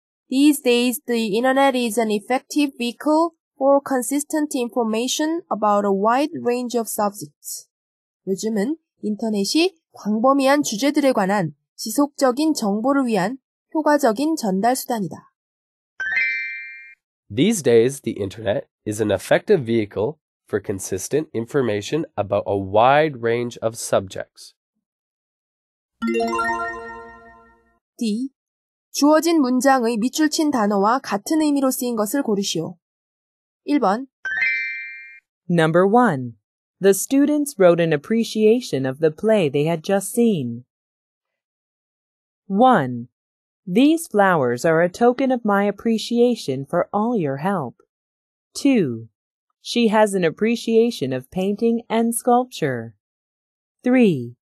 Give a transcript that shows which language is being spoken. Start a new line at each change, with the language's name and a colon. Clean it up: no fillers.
English: These days, the internet is an effective vehicle for consistent information about a wide range of subjects.
Korean: 요즘은 인터넷이 광범위한 주제들에 관한 지속적인 정보를 위한 효과적인 전달 수단이다.
English: These days, the internet is an effective vehicle for consistent information about a wide range of subjects. D.
Korean: 주어진 문장의 밑줄 친 단어와 같은 의미로 쓰인 것을 고르시오. 1번
English: Number 1. The students wrote an appreciation of the play they had just seen. 1. These flowers are a token of my appreciation for all your help. 2. She has an appreciation of painting and sculpture. 3.